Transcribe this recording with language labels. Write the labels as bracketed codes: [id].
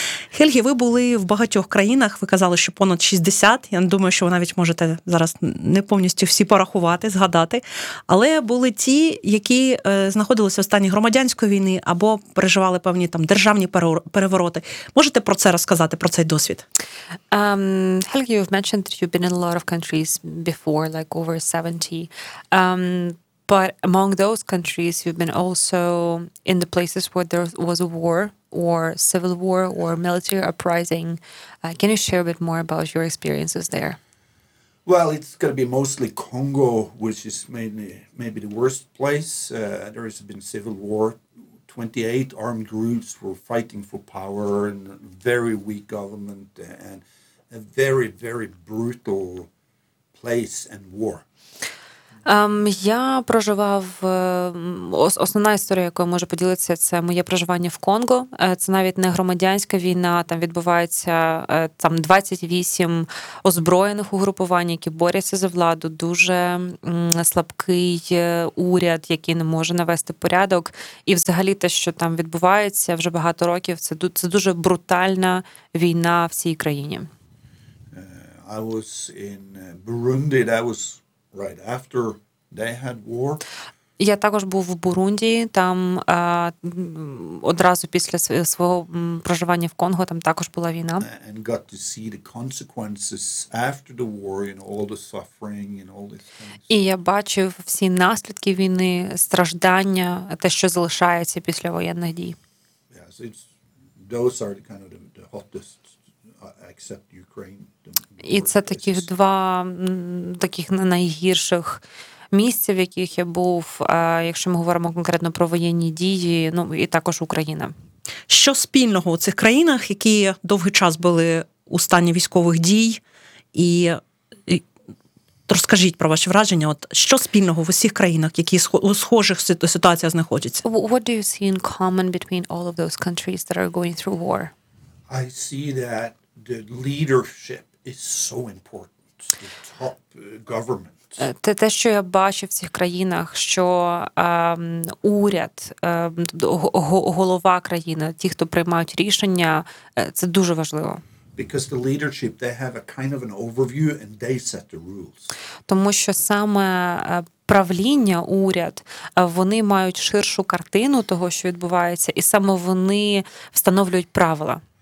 [uk] Хельгі, ви були в багатьох країнах, ви казали, що понад 60, я думаю, що ви навіть можете зараз не повністю всі порахувати, згадати, але були ті, які знаходилися в стані громадянської війни або переживали певні там державні перевороти. Можете про це розказати, про цей досвід? [en] Хельгі, you've mentioned that you've been in a lot of countries before, like over 70, but among those countries you've been also in the places where there was a war, or civil war, or military uprising. Can you share a bit more about your experiences there? Well, it's going to be mostly Congo, which is maybe the worst place. There has been civil war. 28 armed groups were fighting for power, and a very weak government, and a very, very brutal place and war. [uk] Я проживав, основна історія, якою можу поділитися, це моє проживання в Конго. Це навіть не громадянська війна, там відбувається там 28 озброєних угрупувань, які борються за владу, дуже слабкий уряд, який не може навести порядок. І взагалі те, що там відбувається вже багато років, це дуже брутальна війна в цій країні. [en] I was in Burundi, that was right after they had war. [uk] Я також був в Бурунді, там одразу після свого проживання в Конго, там також була війна. [en] And got to see the consequences after the war, you know, all the suffering and all these things. [uk] І я бачив всі наслідки війни, страждання, те, що залишається після воєнних дій. [en] Yeah, so those are the kind of the hottest, except Ukraine. [uk] І це таких два таких найгірших місця, в яких я був, якщо ми говоримо конкретно про воєнні дії, ну і також Україна. Що спільного у цих країнах, які довгий час були у стані військових дій? І розкажіть про ваші враження. От що спільного в усіх країнах, які у схожих ситуаціях знаходяться? [en] What do you see in common between all of those countries that are going through war? I see that the leadership is so important. The top government. [uk] Те, що я бачу в цих країнах, що уряд, голова країни, ті, хто приймають рішення, це дуже важливо. [en] Because the leadership, they have a kind of an overview and they set the rules. [uk] Тому що саме правління, уряд, вони мають ширшу картину того, що відбувається, і саме вони встановлюють правила.